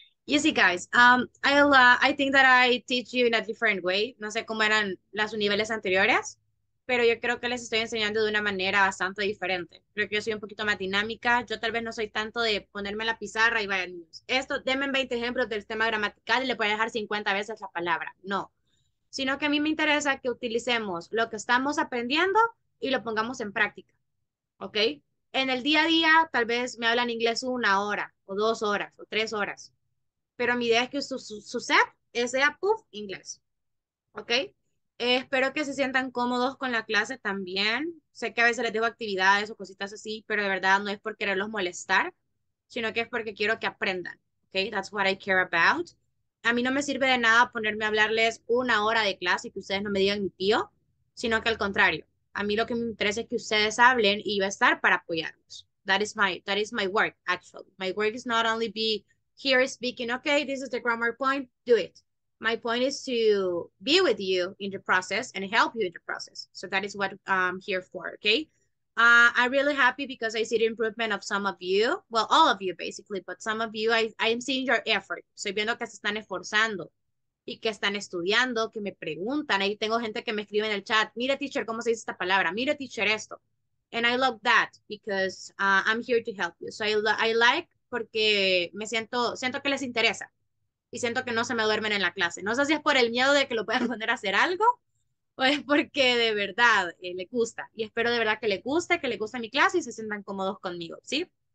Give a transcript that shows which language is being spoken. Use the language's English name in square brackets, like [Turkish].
[English] You see, guys, I think that I teach you in a different way. [Spanish] No sé cómo eran los niveles anteriores, pero yo creo que les estoy enseñando de una manera bastante diferente. Creo que yo soy un poquito más dinámica. Yo tal vez no soy tanto de ponerme la pizarra y vaya, niños, esto, denme 20 ejemplos del tema gramatical y le voy a dejar 50 veces la palabra. No, sino que a mí me interesa que utilicemos lo que estamos aprendiendo y lo pongamos en práctica, ¿ok? En el día a día, tal vez me hablan inglés una hora, o dos horas, o tres horas. Pero mi idea es que su set sea puff inglés. ¿Ok? Espero que se sientan cómodos con la clase también. Sé que a veces les dejo actividades o cositas así, pero de verdad no es por quererlos molestar, sino que es porque quiero que aprendan. ¿Ok? [English] That's what I care about. [Spanish] A mí no me sirve de nada ponerme a hablarles una hora de clase y que ustedes no me digan ni tío, sino que al contrario. A mí lo que me interesa es que ustedes hablen y yo estar para apoyarlos. [English] That is my work, actually. My work is not only be here speaking, okay, this is the grammar point, do it. My point is to be with you in the process and help you in the process. So that is what I'm here for, okay? I'm really happy because I see the improvement of some of you. Well, all of you, basically, but some of you, I am seeing your effort. [Spanish] Soy viendo que se están esforzando y que están estudiando, que me preguntan. Ahí tengo gente que me escribe en el chat, mira, teacher, ¿cómo se dice esta palabra? Mira, teacher, esto. [English] And I love that because I'm here to help you. So I like porque me siento que les interesa y siento que no se me duermen en la clase. No sé si es por el miedo de que lo puedan poner a hacer algo o es porque de verdad le gusta. Y espero de verdad que le guste mi clase y se sientan cómodos conmigo, ¿sí?